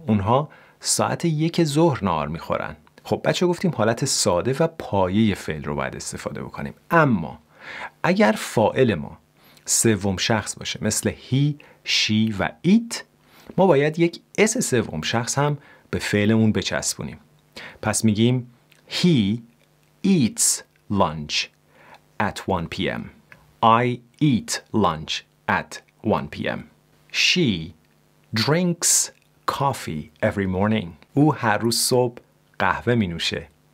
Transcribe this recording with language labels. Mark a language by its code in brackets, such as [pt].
[fa] اونها ساعت 1 ظهر نهار می خورن. خب بچه گفتیم حالت ساده و پایه فعل رو باید استفاده بکنیم. اما اگر فاعل ما سوم شخص باشه، مثل he, she و it، ما باید یک اس سوم شخص هم به فعلمون بچسبونیم. پس میگیم [en] He eats lunch at 1 p.m. I eat lunch at 1 p.m. She drinks coffee every morning. [fa] او هر روز صبح قهوه می نوشه.